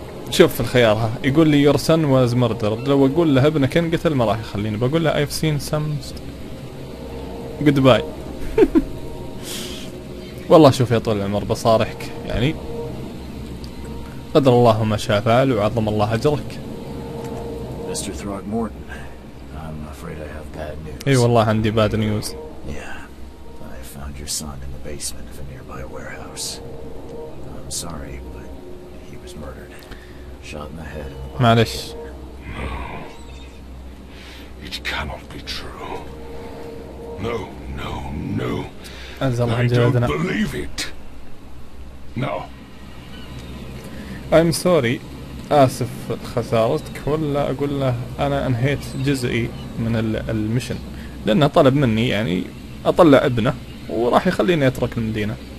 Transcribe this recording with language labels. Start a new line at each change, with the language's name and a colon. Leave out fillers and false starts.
Arabic: شوف الخيار ها، يقول لي
English: your son was murdered،
Arabic: لو اقول له ابنك انقتل ما راح يخليني، بقول له
English: I've seen some goodbye.
Arabic: والله شوف يا طول العمر بصارحك، يعني قدر الله ما شاء فعل وعظم الله اجرك.
English: Mr. Throgmorton, I'm afraid I have bad news.
Arabic: اي والله عندي
English: bad news. Yeah, I found your son in the basement of a nearby warehouse. I'm sorry, but he was murdered. Shot in the head.
Arabic: معلش.
English: No. It cannot be true. No, no, no. أزل
Arabic: عن جلدنا.
English: I don't believe it. No. I'm sorry.
Arabic: آسف خسارتك، ولا أقول له أنا أنهيت جزئي من المشن. لأنه طلب مني يعني أطلع ابنه وراح يخليني أترك المدينة.